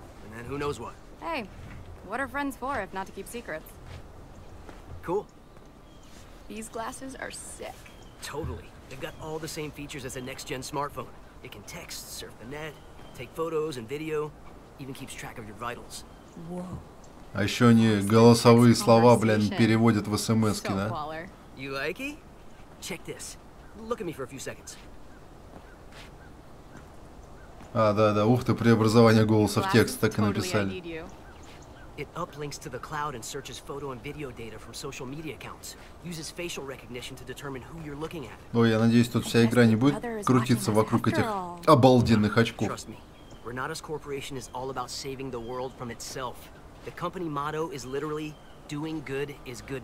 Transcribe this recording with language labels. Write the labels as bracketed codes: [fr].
[en] Hey, what are friends for if not to keep secrets? Cool. These glasses are sick. Totally. They've got all the same features as a next-gen smartphone. It can text, surf the net, take photos and video, even keeps track of your vitals. [ru] Whoa. А еще они голосовые слова, блин, переводят в смски, да? [en] You like it? Check this. Look at me for a few seconds. [ru] А, да-да, ух ты, преобразование голоса в текст, так и написали. [en] It uplinks to the cloud and searches photo and video data from social media accounts. Uses facial recognition to determine who you're looking at. [ru] Ой, я надеюсь, тут вся игра не будет крутиться вокруг этих обалденных очков. [en] Trust me, Renatus Corporation is all about saving the world from itself. The company motto is literally doing good is good.